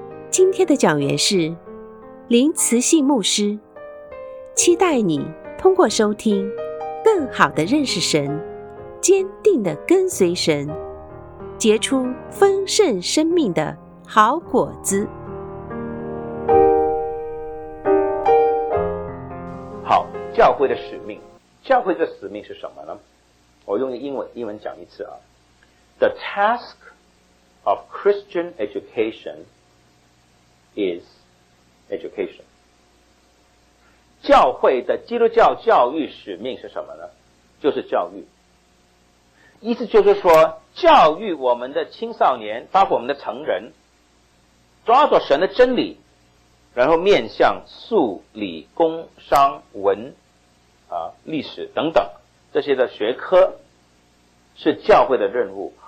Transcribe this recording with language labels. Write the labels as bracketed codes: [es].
[zh] 今天的讲员是林慈信牧师，期待你通过收听更好地认识神，坚定地跟随神，结出丰盛生命的好果子。好，教会的使命，教会的使命是什么呢？我用英文讲一次啊。 [en] The task of Christian education is education. [zh] 教会的基督教教育使命是什么呢？就是教育。意思就是说，教育我们的青少年，包括我们的成人，抓住神的真理，然后面向数理工商文啊、历史等等这些的学科，是教会的任务。